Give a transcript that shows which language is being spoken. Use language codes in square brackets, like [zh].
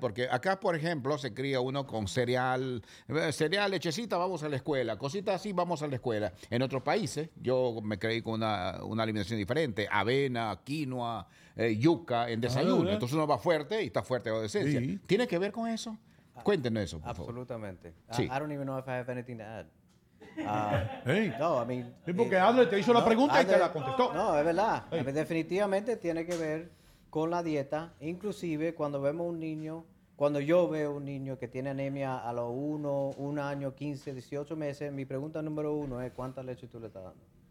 [es] Porque acá, por ejemplo, se cría uno con cereal, lechecita, vamos a la escuela, cositas así, vamos a la escuela. En otros países, yo me creí con una alimentación diferente, avena, quinoa, yuca en desayuno. Entonces uno va fuerte y está fuerte de adolescencia. Sí. ¿Tiene que ver con eso? Cuéntenos eso, por absolutamente. Favor. [en] Absolutamente. I don't even know if I have anything to add. [es] Sí, porque Adler te hizo la pregunta y te la contestó. No, es verdad. Hey. Definitivamente tiene que ver con la dieta. Inclusive cuando vemos un niño, cuando yo veo un niño que tiene anemia a los 1 año, 15, 18 meses, mi pregunta número uno es ¿cuánta leche tú le estás dando?